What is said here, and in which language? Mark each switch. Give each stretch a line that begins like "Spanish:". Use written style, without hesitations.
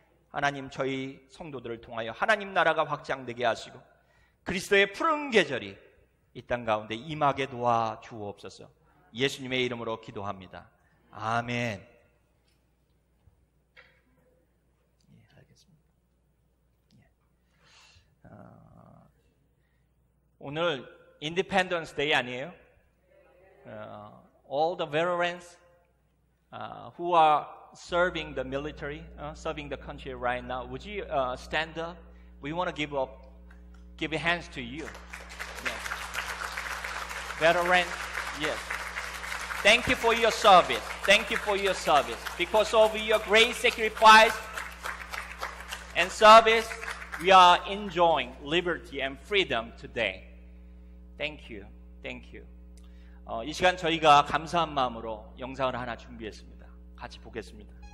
Korean: 하나님, 저희 성도들을 통하여 하나님 나라가 확장되게 하시고 그리스도의 푸른 계절이 이 땅 가운데 임하게 도와주옵소서. 예수님의 이름으로 기도합니다. 아멘. 예, 알겠습니다. 예. 오늘 인디펜던스 데이 아니에요?
English: All the veterans who are serving the military, serving the country right now, would you stand up? We want to give hands to you. Yes. Veterans, yes. Thank you for your service. Thank you for your service. Because of your great sacrifice and service, we are enjoying liberty and freedom today. Thank you. Thank you.
Korean: 이 시간 저희가 감사한 마음으로 영상을 하나 준비했습니다. 같이 보겠습니다.